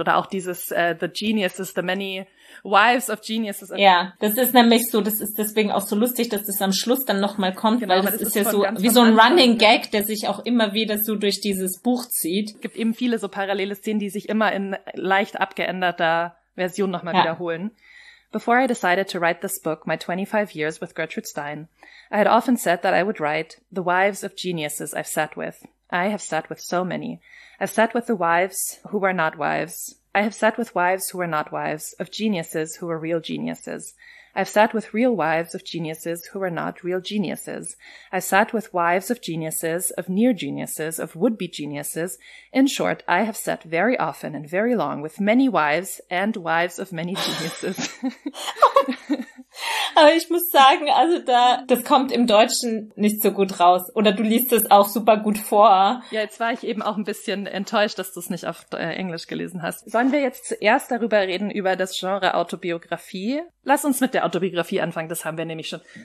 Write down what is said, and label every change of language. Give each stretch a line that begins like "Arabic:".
German: Oder auch dieses
English: the geniuses, the many wives of geniuses.
German: Ja, das ist nämlich so, das ist deswegen auch so lustig, dass das am Schluss dann nochmal kommt, genau, weil das ist ja so wie so ein Running Gag, der sich auch immer wieder so durch dieses Buch zieht. Es gibt eben viele so parallele Szenen, die sich immer in leicht abgeänderter Version nochmal wiederholen.
English: Before I decided to write this book, my 25 years with Gertrude Stein, I had often said that I would write the wives of geniuses I've sat with. I have sat with so many. I've sat with the wives who were not wives. I have sat with wives who were not wives, of geniuses who were real geniuses. I've sat with real wives of geniuses who were not real geniuses. I sat with wives of geniuses, of near geniuses, of would-be geniuses. In short, I have sat very often and very long with many wives and wives of many geniuses.
German: Aber ich muss sagen, also das kommt im Deutschen nicht so gut raus. Oder du liest es auch super gut vor. Ja, jetzt war ich eben auch ein bisschen enttäuscht, dass du es nicht auf Englisch gelesen hast. Sollen wir jetzt zuerst darüber reden, über das Genre Autobiografie? Lass uns mit der Autobiografie anfangen, das haben wir nämlich schon.